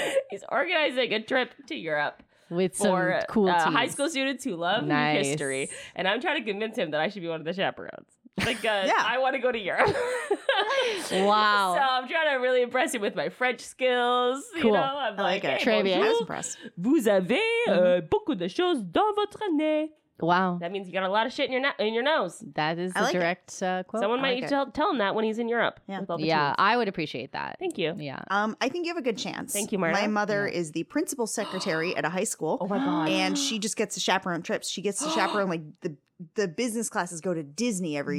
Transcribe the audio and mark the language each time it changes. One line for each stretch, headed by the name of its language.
English: He's organizing a trip to Europe with some for, cool teens. High school students who love nice. History. And I'm trying to convince him that I should be one of the chaperones. Like, yeah. I want to go to Europe. Wow. So I'm trying to really impress him with my French skills. Cool. You know, I'm I like it. Hey, bonjour. I was impressed.
French: Vous avez beaucoup de choses dans votre nez.
English: Wow. That means you got a lot of shit in your nose. That is like a direct quote. Someone might need to tell him that when he's in Europe. Yeah. With all the teams. I would appreciate that. Thank you. Yeah. I think you have a good chance. Thank you, Marta. My mother is the principal secretary at a high school. Oh, my God. And she just gets to chaperone trips. She gets to chaperone like the business classes go to Disney every